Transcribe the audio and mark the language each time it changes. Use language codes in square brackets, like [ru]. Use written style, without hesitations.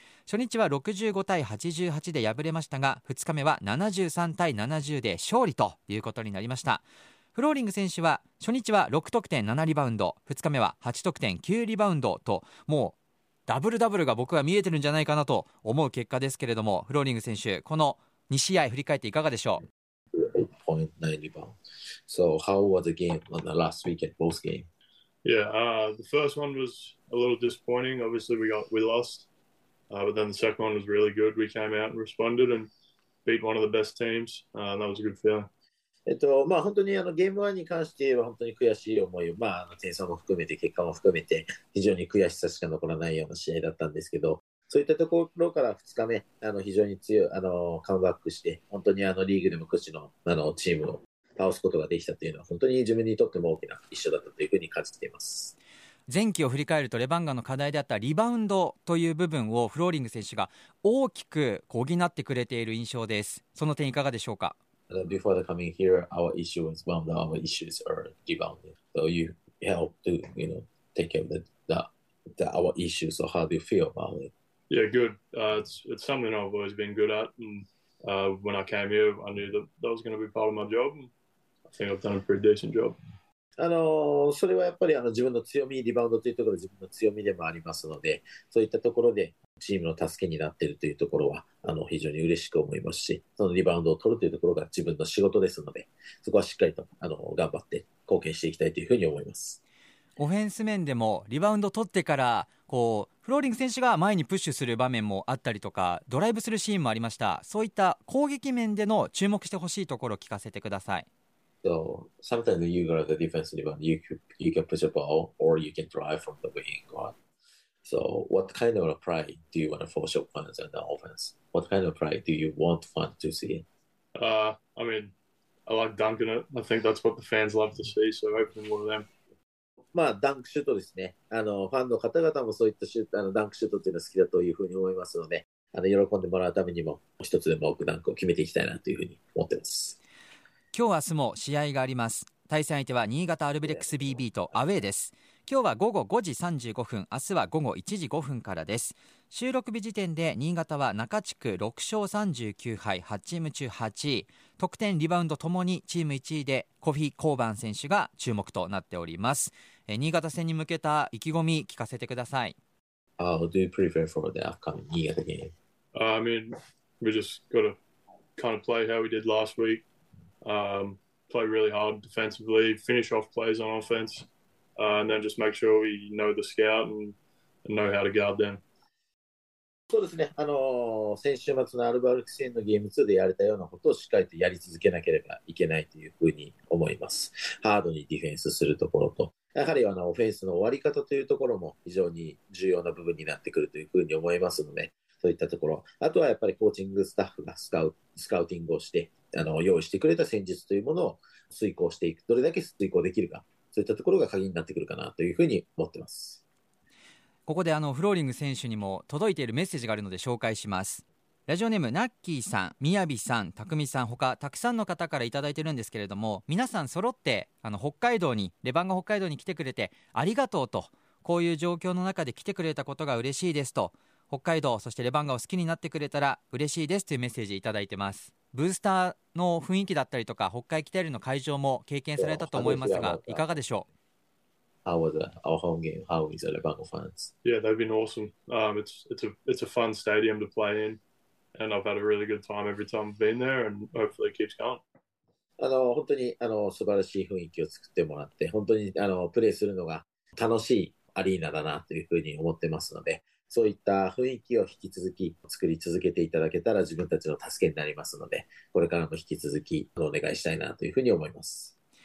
[ja] 初日は65対88で敗れましたが、2日目は73対70で勝利ということになりました。フローリング選手は初日は6得点7リバウンド、2日目は8得点9リバウンドと、もうダブルダブルが僕は見えてるんじゃないかなと思う結果ですけれども、フローリング選手、この2試合振り返っていかがでしょう。 6.9 リバウンド。 [en] So how was the game on the last weekend, both game? Yeah, the first one was a little disappointing. Obviously we lost, but then the second one was really good. We came out and responded and beat one of the best teams. That was a good feeling. [ja] 本当にゲーム1に関しては本当に悔しい思いを、点差も含めて結果も含めて非常に悔しさしか残らないような試合だったんですけど、そういったところから2日目非常に強いカムバックして本当にリーグでも屈指 のチームを倒すことができたというのは本当に自分にとっても大きな一勝だったというふうに感じています。前期を振り返ると、レバンガの課題であったリバウンドという部分をフローリング選手が大きく補ってくれている印象です。その点いかがでしょうか。 [en] Before coming here, our issue was bound. Our issues are rebounding. So you help to, you know, take care of the our issues. So how do you feel about it? Yeah, good. It's something I've always been good at. And when I came here, I knew that was going to be part of my job. I think I've done a pretty decent job. [ja] それはやっぱり自分の強み、リバウンドというところは自分の強みでもありますので、そういったところでチームの助けになっているというところは非常に嬉しく思いますし、そのリバウンドを取るというところが自分の仕事ですので、そこはしっかりと頑張って貢献していきたいというふうに思います。オフェンス面でもリバウンド取ってからこうフローリング選手が前にプッシュする場面もあったりとか、ドライブするシーンもありました。そういった攻撃面での注目してほしいところを聞かせてください。 [en] So sometimes you got the defensive rebound, you can push a ball or you can drive from the wing. So what kind of a play do you want to force your opponents on the offense? What kind of play do you want fans to see? I mean, I like dunking it. I think that's what the fans love to see, so hopefully one of them. [ja] ダンクシュートですね。ファンの方々もそういったシュート、ダンクシュートっていうのは好きだというふうに思いますので、喜んでもらうためにも一つでも多くダンクを決めていきたいなというふうに思ってます。今日明日も試合があります。対戦相手は新潟アルブレックス BB とアウェーです。今日は午後5時35分、明日は午後1時5分からです。収録日時点で新潟は中地区6勝39敗8チーム中8位、得点リバウンドともにチーム1位で、コフィ・コーバン選手が注目となっております。新潟戦に向けた意気込み聞かせてください。 [en] Do you prefer for the upcoming 新潟 game? I mean, we just gotta kind of play how we did last weekplay really hard defensively, finish off plays on offense, and then just make sure we know the scout and know how to guard them. [ja] そうですね。先週末のアルバルク戦のゲーム2でやれたようなことをしっかりとやり続けなければいけないというふうに思います。ハードにディフェンスするところと、やはりオフェンスの終わり方というところも非常に重要な部分になってくるというふうに思いますので、そういったところ、あとはやっぱりコーチングスタッフがスカウティングをして用意してくれた戦術というものを遂行していく、どれだけ遂行できるか、そういったところが鍵になってくるかなというふうに思ってます。ここでフローリング選手にも届いているメッセージがあるので紹介します。ラジオネームナッキーさん、宮城さん、たくみさん、他たくさんの方からいただいてるんですけれども、皆さん揃って北海道に、レバンガ北海道に来てくれてありがとうと、こういう状況の中で来てくれたことが嬉しいですと、北海道そしてレバンガを好きになってくれたら嬉しいですというメッセージいただいてます。ブースターの雰囲気だったりとか北海キテールの会場も経験されたと思いますがいかがでしょう。 [en] How was our home game? How is the Lebango fans? Yeah, they've been awesome. It's a fun stadium to play in and I've had a really good time every time I've been there and hopefully it keeps going. [ja] 本当に素晴らしい雰囲気を作ってもらって本当にプレーするのが楽しいアリーナだなというふうに思ってますのでそういった雰囲気を引き続き作り続けていただけたら自分たちの助けになりますのでこれからも引き続きお願いしたいなというふうに思います。